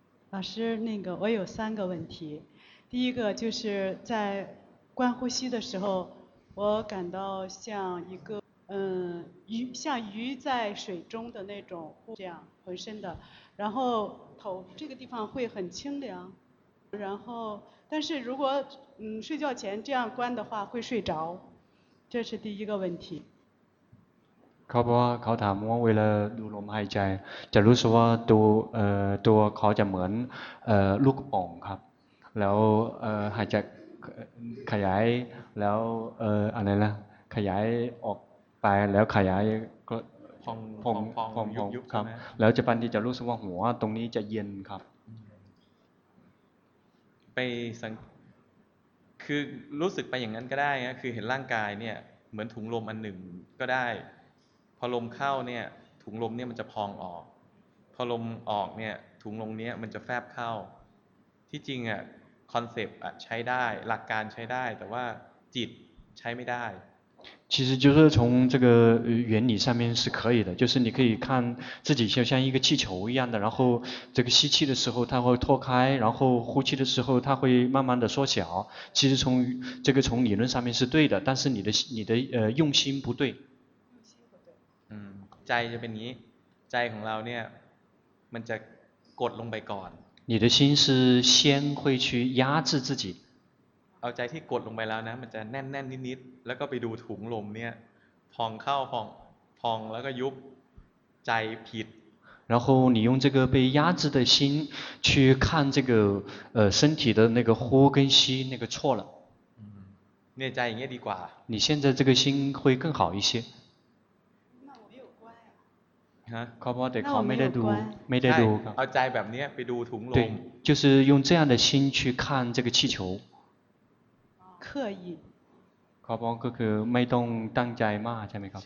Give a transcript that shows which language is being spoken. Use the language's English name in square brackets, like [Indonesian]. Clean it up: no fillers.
[Chinese] 老师那个我有三个问题第一个就是在观呼吸的时候我感到像一个鱼像鱼在水中的那种这样浑身的然后头这个地方会很清凉然后但是如果睡觉前这样关的话会睡着这是第一个问题 [Thai] ครับว่าเขาถามว่าเวลาดูลมหายใจจะรู้สึกว่าตัวเขาจะเหมือนลูกป่องครับแล้วหายใจขยายแล้วอะไรนะขยายออกไปแล้วขยายก็พองพองพองยุบ ครับแล้วจะปันที่จะรู้สึกว่าหัวตรงนี้จะเย็นครับ ไปสังคือรู้สึกไปอย่างนั้นก็ได้นะคือเห็นร่างกายเนี่ยเหมือนถุงลมอันหนึ่งก็ได้พอลมเข้าเนี่ยถุงลมเนี่ยมันจะพองออกพอลมออกเนี่ยถุงลมเนี้ยมันจะแฟบเข้าที่จริงอ่ะคอนเซปต์ใช้ได้หลักการใช้ได้แต่ว่าจิตใช้ไม่ได้ [Chinese] 其实就是从这个原理上面是可以的就是你可以看自己就像一个气球一样的然后这个吸气的时候它会脱开然后呼气的时候它会慢慢的缩小其实从这个从理论上面是对的但是你的用心不对 [Thai] ใจจะเป็นนี้ใจของเราเนี่ยมันจะกดลงไปก่อน [Chinese] 你的心是先会去压制自己 [Thai] เอาใจที่กดลงไปแล้วนะมันจะแน่นๆนิดๆแล้วก็ไปดูถุงลมเนี่ยพองเข้าพองแล้วก็ยุบใจผิด [Chinese] 然后你用这个被压制的心去看这个身体的那个呼跟吸那个错了 [Thai] เนี่ยใจอย่างเงี้ยดีกว่า [Chinese] 你现在这个心会更好一些 เ [Thai] ขาบอกแต่เขาไม่ได้ดู ไม่ ได้ดู ครับเอาใจแบบนี้ไปดูถุงลม [Chinese] 就是用这样的心去看这个气球刻意 [Thai] เขาบอกก็คือไม่ต้องตั้งใจมากใช่ไหมครับ